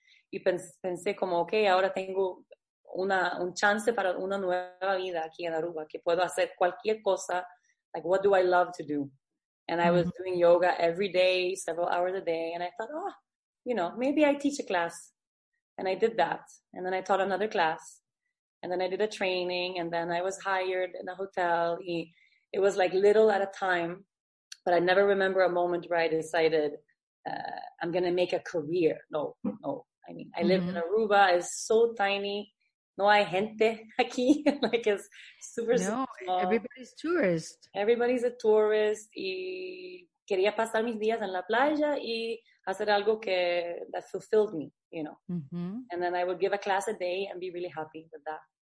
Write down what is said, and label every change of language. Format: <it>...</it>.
<es>Y pensé como, okay, ahora tengo un chance para una nueva vida aquí en Aruba, que puedo hacer cualquier cosa,</es> <en>like, what do I love to do? And I was doing yoga every day, several hours a day. And I thought, oh, you know, maybe I teach a class. And I did that. And then I taught another class. And then I did a training. And then I was hired in a hotel. It was like little at a time. But I never remember a moment where I decided I'm going to make a career. No. I mean, I live in Aruba. It's so tiny.</en> <es>No hay gente aquí,</es> <en>like it's super small. Everybody's tourist. Everybody's a tourist.</en> <es>Y quería pasar mis días en la playa y hacer algo</es> <en>that fulfilled me, you know. Mm-hmm. And then I would give a class a day and be really happy with that.</en>